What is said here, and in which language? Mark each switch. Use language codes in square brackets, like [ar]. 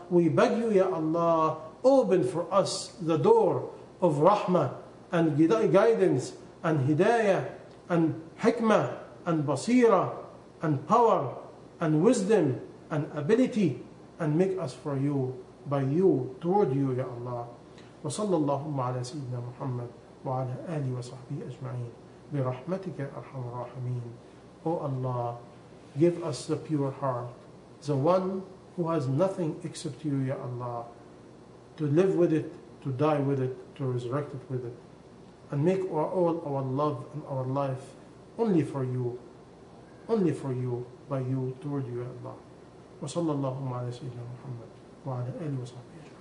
[en] We beg you, ya Allah. Open for us the door of rahmah and guidance and hidayah and hikmah and basira and power and wisdom and ability, and make us for you, by you, toward you, ya Allah. [ar] Wa sallallahu ala sayyidina Muhammad. وعلى آله وصحبه أجمعين برحمتك أرحم الراحمين. [en] O Allah, give us the pure heart, the one who has nothing except you, ya Allah, to live with it, to die with it, to resurrect it with it, and make all our love and our life only for you, only for you, by you, toward you, ya Allah. [ar] وصلى الله على سيدنا محمد وعلى آله وصحبه.